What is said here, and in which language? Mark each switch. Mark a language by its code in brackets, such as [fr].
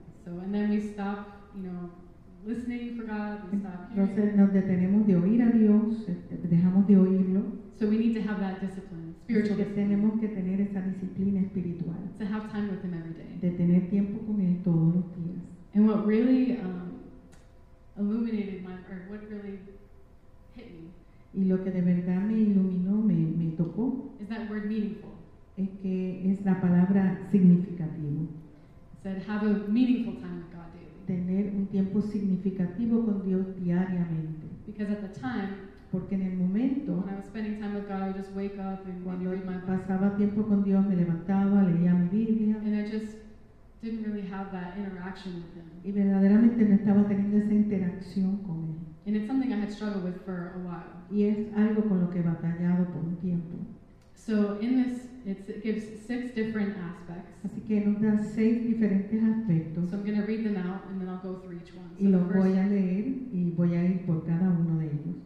[en] So and then we stop, you know, listening for God, we stop hearing. [es] Entonces nos detenemos de oír a Dios, dejamos de oírlo. [en] So we need to have that discipline, spiritual discipline. [es] Tenemos que tener esa disciplina espiritual. [en] To have time with Him every day. [es] De tener tiempo con Él todos los días. [en] And what really illuminated my, or what really hit me. [es] Y lo que de verdad me iluminó, me tocó. [en] Is that word meaningful? [es] Es que es la palabra significativo. [en] Said have a meaningful time with God daily. [es] Tener un tiempo significativo con Dios diariamente. [en] Because at the time, [es] porque en el momento, [en] when I was spending time with God, I would just wake up and read my Bible. [es] Pasaba tiempo con Dios, me levantaba, leía mi Biblia. [en] And I just didn't really have that interaction with Him. [es] Y verdaderamente no estaba teniendo esa interacción con Él. [en] And it's something I had struggled with for a while. [es] Y es algo con lo que he batallado por un tiempo. [en] So in this, it gives six different aspects. [es] Así que nos da seis diferentes aspectos. [en] So I'm going to read them out and then I'll go through each one. [es] Y los voy a leer y voy a ir por cada uno de ellos.